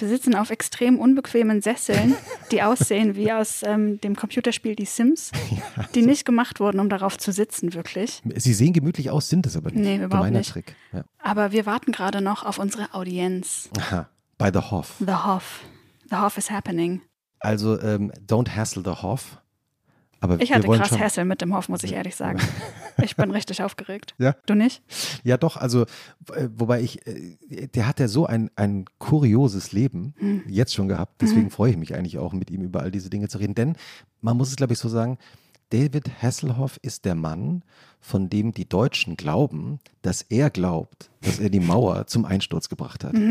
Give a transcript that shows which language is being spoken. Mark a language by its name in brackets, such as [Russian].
[German] Wir sitzen auf extrem unbequemen Sesseln, die aussehen wie aus dem Computerspiel Die Sims, die nicht gemacht wurden, um darauf zu sitzen, wirklich. Sie sehen gemütlich aus, sind es aber nicht. Nee, überhaupt Gemeiner nicht. Trick. Ja. Aber wir warten gerade noch auf unsere Audienz. Aha, bei The Hof. [English] The Hof. The Hof is happening. Also, don't hassle The Hof. [German] Aber ich hatte krass Hassel mit dem Hof, muss ich ehrlich sagen. Ich bin richtig aufgeregt. Ja. Du nicht? Ja doch, also wobei ich, der hat ja so ein kurioses Leben jetzt schon gehabt. Deswegen freue ich mich eigentlich auch, mit ihm über all diese Dinge zu reden. Denn man muss es, glaube ich, so sagen, David Hasselhoff ist der Mann, von dem die Deutschen glauben, dass er glaubt, dass er die Mauer zum Einsturz gebracht hat.